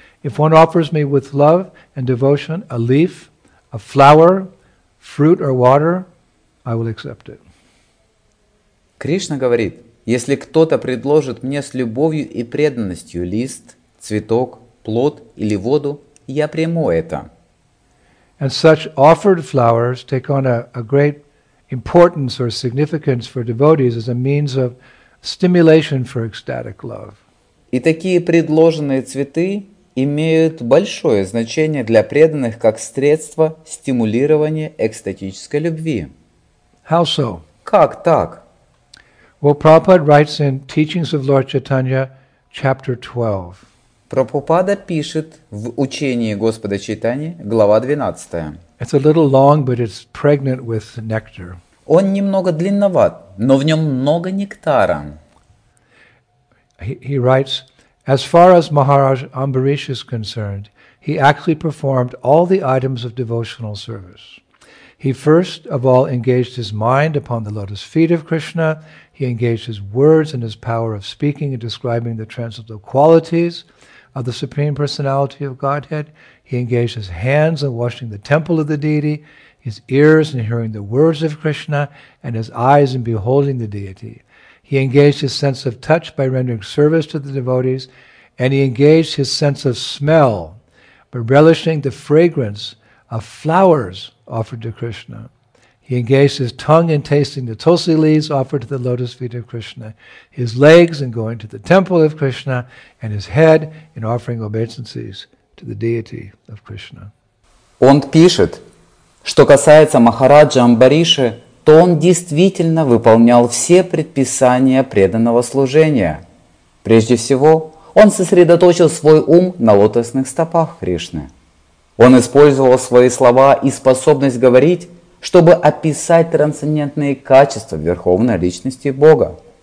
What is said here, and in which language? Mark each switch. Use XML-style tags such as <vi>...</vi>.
<en>If one offers me with love and devotion a leaf, a flower, fruit or water, I will accept it.</en> <ru>Кришна говорит, если кто-то предложит мне с любовью и преданностью лист, цветок, плод или воду, я приму это.</ru> <en>And such offered flowers take on a great importance or significance for devotees as a means of stimulation for ecstatic love.</en> <ru>И такие предложенные цветы имеют большое значение для преданных как средство стимулирования экстатической любви.</ru> <en>How so?</en> <ru>Как так?</ru> <en>Well, Prabhupada writes in Teachings of Lord Chaitanya, chapter 12.</en> <ru>Прабхупада пишет в учении Господа Чайтаньи, глава 12.</ru> <en>It's a little long, but it's pregnant with nectar.</en> <ru>Он немного длинноват, но в нем много нектара.</ru> <en>He writes, as far as Maharaj Ambarish is concerned, he actually performed all the items of devotional service. He first of all engaged his mind upon the lotus feet of Krishna. He engaged his words and his power of speaking and describing the transcendental qualities of the Supreme Personality of Godhead. He engaged his hands in washing the temple of the deity, his ears in hearing the words of Krishna, and his eyes in beholding the deity. He engaged his sense of touch by rendering service to the devotees, and he engaged his sense of smell by relishing the fragrance of flowers offered to Krishna. He engaged his tongue in tasting the tulsi leaves offered to the lotus feet of Krishna, his legs in going to the temple of Krishna, and his head in offering obeisances to the deity of Krishna.</en> <ru>Он пишет, что касается Махараджа Амбариши, то он действительно выполнял все предписания преданного служения. Прежде всего, он сосредоточил свой ум на лотосных стопах Кришны. Он использовал свои слова и способность говорить, чтобы описать трансцендентные качества Верховной Личности Бога.</ru>